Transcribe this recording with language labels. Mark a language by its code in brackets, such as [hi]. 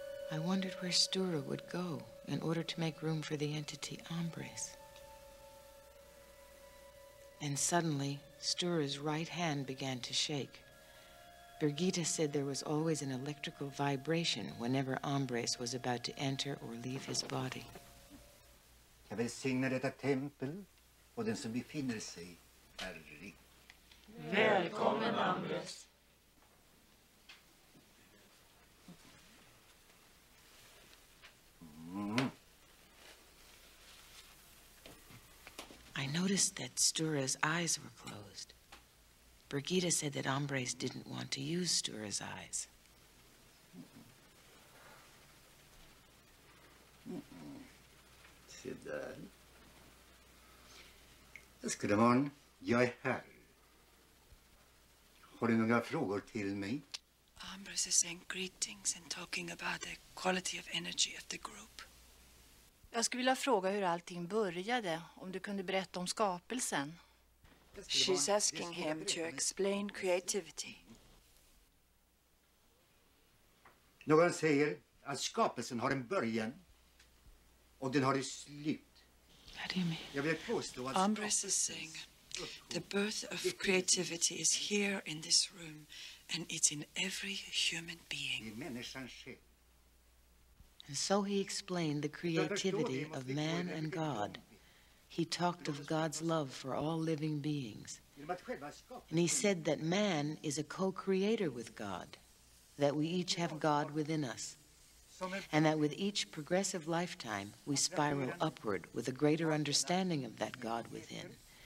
[en] I wondered where Stura would go in order to make room for the entity Ombres. And suddenly, Stura's right hand began to shake. Birgitta said there was always an electrical vibration whenever Ombres was about to enter or leave his body. [sv] Jag välsignar detta tempel och den som befinner sig här. Välkommen, Ombres. [en] I noticed that Stura's eyes were closed. Birgitta said that Ombres didn't want to use Stura's eyes. [sv] Se där. [en] Good morning. [sv] Jag är här. Har du några frågor till mig? [en] Ombres is saying greetings and talking about the quality of energy of the group. [sv] Jag skulle vilja fråga hur allting började, om du kunde berätta om skapelsen. [en] She's asking him to explain creativity. [sv] Någon säger att skapelsen har en början och den har ett slut. [en] What do you mean? [sv] Jag vill påstå att [en] Ombres is saying the birth of creativity is here in this room and it's in every human being. [sv] I människan själv. [en] And so he explained the creativity of man and God. He talked of God's love for all living beings. And he said that man is a co-creator with God, that we each have God within us, and that with each progressive lifetime, we spiral upward with a greater understanding of that God within.